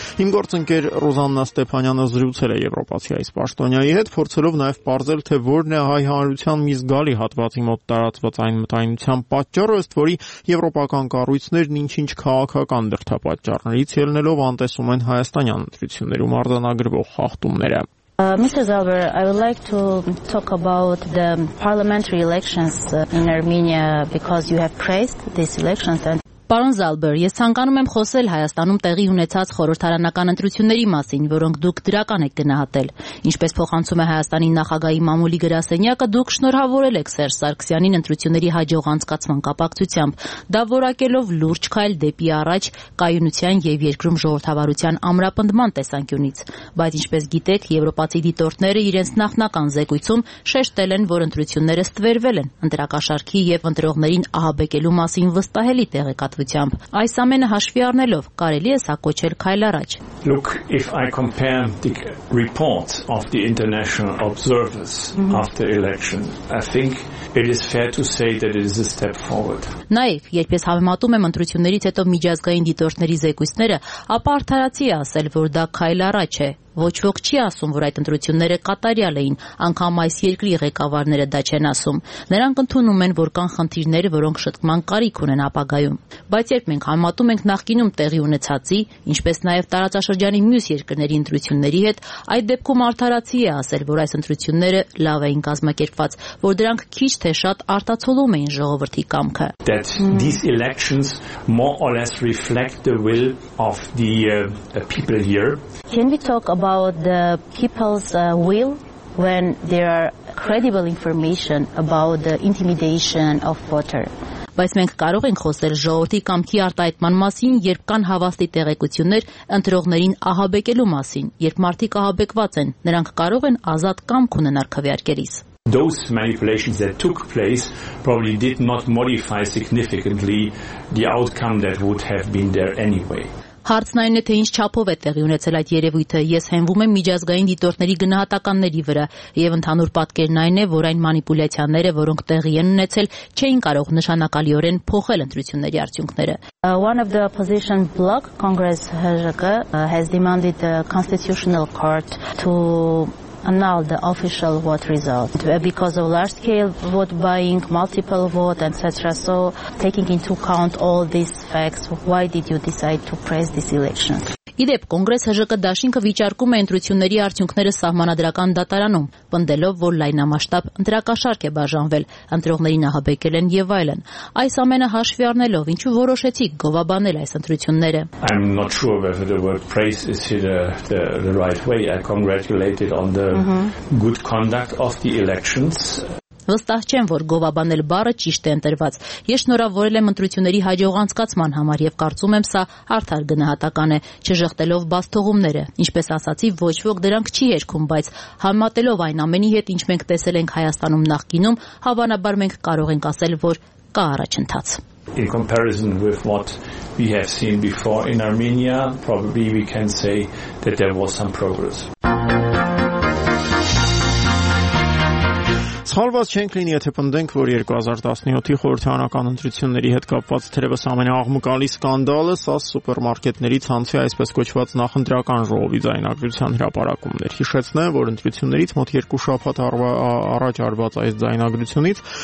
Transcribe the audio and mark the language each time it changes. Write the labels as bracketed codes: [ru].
[hy] Իմ գործընկեր Ռոզաննա Ստեփանյանը զրուցել է եվրոպացի այս պաշտոնյայի հետ, փորձելով նաև պարզել, թե որն է հայ հանրության մի զգալի հատվածի մոտ տարածված այն մտայնության պատճառը, ըստ որի Եվրոպական կառույցներն ինչ-ինչ քաղաքական դրդապատճառներից ելնելով անտեսում են հայաստանյան ընտրություններում արձանագրվող խախտումները։ [en] Mr. Zalber, I would like to talk about the parliamentary elections in Armenia because you have praised these elections and [hy] Պարոն Զալբեր, ես ցանկանում եմ խոսել Հայաստանում տեղի ունեցած խորհրդարանական ընտրությունների մասին, որոնք դուք դրական եք գնահատել։ Ինչպես փոխանցում է Հայաստանի նախագահի մամուլի գրասենյակը, դուք շնորհավորել եք Սերժ Սարգսյանին ընտրությունների հաջող անցկացման կապակցությամբ, դա որակելով լուրջ քայլ դեպի առաջ կայունության և երկրում ժողովրդավարության ամրապնդման տեսանկյունից, բայց ինչպես գիտեք, եվրոպացի դիտորդները իրենց նախնական զեկույցում շեշտել են, որ ընտրությունները ստվերվել են ընտրակաշարքի և ընտրողներին ահաբեկելու մասին վստահելի տեղ կատվությամբ։ Այս ամենը հաշվի առնելով կարելի է սա կոչել քայլ առաջ։ [en] Look, if I compare the report of the international observers after election, I think it is fair to say that it is a step forward. [hy] Նաև, երբ ես համեմատում եմ ընտրություններից հետո միջազգային դիտորդների զեկույցները, ապա արդարացի է ասել, որ դա քայլ առաջ է։ Ոչ ոք չի ասում, որ այդ ընտրությունները կատարյալ էին, անգամ այս երկրի ղեկավարները դա չեն ասում։ Նրանք ընդունում են, որ կան խնդիրներ, որոնք շտկման կարիք ունեն ապագայում։ Բայց երբ մենք համատում ենք նախկինում տեղի ունեցածի, ինչպես նաև տարածաշրջանի մյուս երկրների ընտրությունների հետ, այդ դեպքում արդարացի է ասել, որ այս ընտրությունները լավ էին կազմակերպված, որ դրանք քիչ թե շատ արտացոլում էին ժողովրդի կամքը։ [en] That these elections more or less reflect the will of the people here. Can we talk about the people's will when there are credible information about the intimidation of voter? [hy] Բայց մենք կարող ենք խոսել ժողովրդի կամքի արտահայտման մասին, երբ կան հավաստի տեղեկություններ ընտրողներին ահաբեկելու մասին, երբ մարդիկ ահաբեկված են, նրանք կարող են ազատ կամք ունենալ քվեարկերից։ [en] Those manipulations that took place probably did not modify significantly the outcome that would have been there anyway. [hy] Հարցն այն է, թե ինչ չափով է տեղի ունեցել այդ երևույթը։ Ես հենվում եմ միջազգային դիտորդների գնահատականների վրա, և ընդհանուր պատկերն այն է, որ այն մանիպուլյացիաները, որոնք տեղի են ունեցել, չէին կարող նշանակալիորեն փոխել ընտրությունների արդյունքները։ [en] One of the opposition bloc, Congress ՀԺԿ, has demanded the Constitutional Court to annul the official vote result because of large scale vote buying, multiple vote, etc. So taking into account all these facts, why did you decide to press this election? [hy] Իդեպ կոնգրես ՀԺԿ դաշինքը վիճարկում է ընտրությունների արդյունքները սահմանադրական դատարանում, պնդելով, որ լայնամասշտաբ ընտրակաշարք է բաժանվել, ընտրողների նահաբեկել են եւ այլն։ Այս ամենը հաշվի առնելով, ինչու որոշեցիք գովաբանել այս ընտրությունները։ [en] I'm not sure whether the word praise is here the right way. I congratulated on the good conduct of the elections. [hy] Վստահ չեմ, որ գովաբանել բառը ճիշտ է ընտրված։ Ես շնորհավորել եմ ընտրությունների հաջող անցկացման համար եւ կարծում եմ, սա արդար գնահատական է, չժղտելով բացթողումները։ Ինչպես ասացի, ոչ ոք դրանք չի երգում, բայց համատելով այն ամենի հետ, ինչ մենք տեսել ենք Հայաստանում նախկինում, հավանաբար մենք կարող ենք ասել, որ կա առաջընթաց։ [en] In comparison with what we have seen before in Armenia, probably we can say that there was some progress. [hy] Ցավոք չենք լինի, եթե պնդենք, որ 2017-ի խորհրդարանական ընտրությունների հետ կապված թերևս ամենաաղմուկալի սկանդալը սա սուպերմարկետների ցանցի այսպես կոչված նախընտրական ժողովի ձայնագրության հրապարակումն էր։ Հիշեցնեմ, որ ընտրություններից մոտ 2 շաբաթ առաջ արված այս ձայնագրությունից